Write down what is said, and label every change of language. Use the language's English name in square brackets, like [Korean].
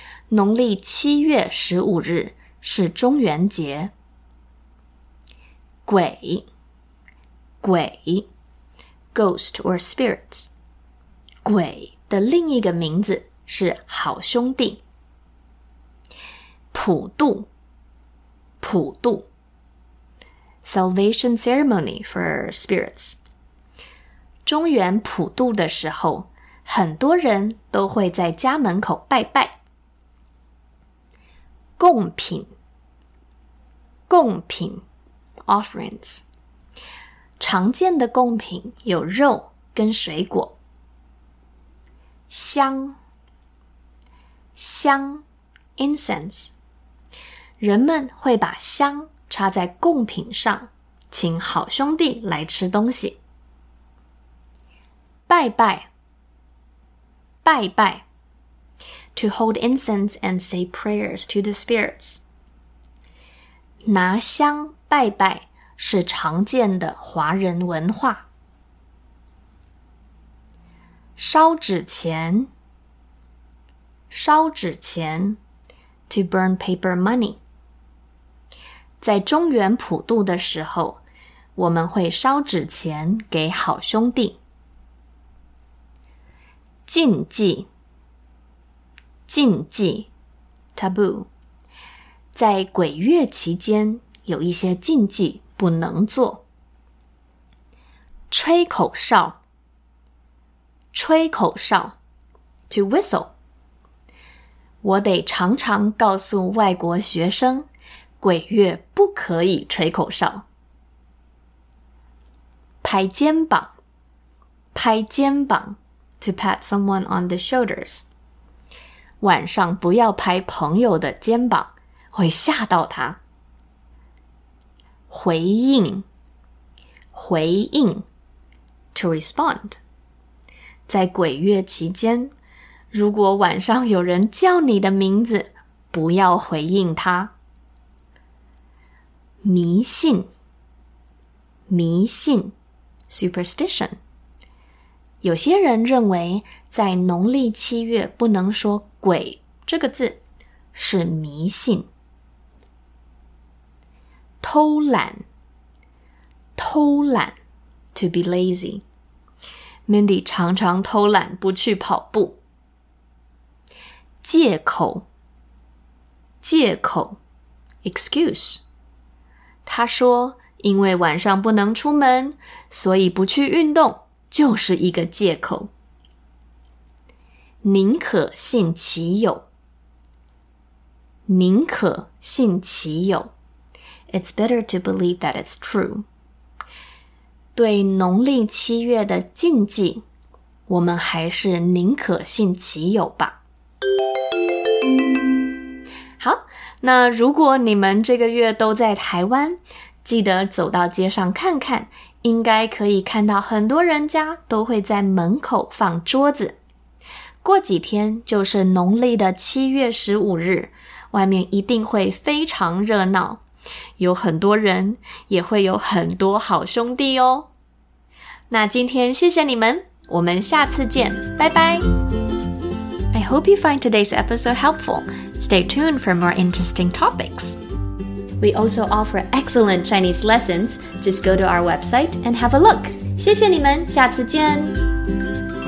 [Chinese] 农历7月15日是中元节。鬼，鬼 [English] ghost or spirits. [Chinese] 鬼的另一个名字是好兄弟。普渡，普渡 [English] salvation ceremony for spirits. [Chinese] 中原普渡的时候，很多人都会在家门口拜拜。贡品，贡品 offerings。常见的贡品有肉跟水果。香，香 incense。人们会把香插在贡品上，请好兄弟来吃东西。拜拜，拜拜 [English] ，to hold incense and say prayers to the spirits. [Chinese] 拿香拜拜是常见的华人文化。烧纸钱，烧纸钱 [English] ，to burn paper money. [Chinese] 在中原普渡的时候，我们会烧纸钱给好兄弟。禁忌，禁忌 ,taboo, 在鬼月期间有一些禁忌不能做。吹口哨，吹口哨 [English] ,to whistle。 [Chinese] 我得常常告诉外国学生鬼月不可以吹口哨。拍肩膀，拍肩膀。 [English] To pat someone on the shoulders. [Chinese] 晚上不要拍朋友的肩膀，会吓到他。回应，回应 [English] ,to respond. [Chinese] 在鬼月期间，如果晚上有人叫你的名字，不要回应他。迷信，迷信 ,superstition. 有些人认为在农历七月不能说鬼这个字是迷信。偷懒，偷懒 [English] ,to be lazy. [Chinese] Mindy 常常偷懒不去跑步。借口，借口 ,excuse. 他说因为晚上不能出门所以不去运动。就是一个借口。宁可信其有，宁可信其有 [English] ,It's better to believe that it's true. [Chinese] 对农历七月的禁忌，我们还是宁可信其有吧。好，那如果你们这个月都在台湾，记得走到街上看看，应该可以看到很多人家都会在门口放桌子。过几天就是农历的七月十五日，外面一定会非常热闹，有很多人，也会有很多好兄弟哦。那今天谢谢你们，我们下次见，拜拜。 [English] I hope you find today's episode helpful. Stay tuned for more interesting topics. We also offer excellent Chinese lessons. Just go to our website and have a look. [Chinese] 谢谢你们，下次见。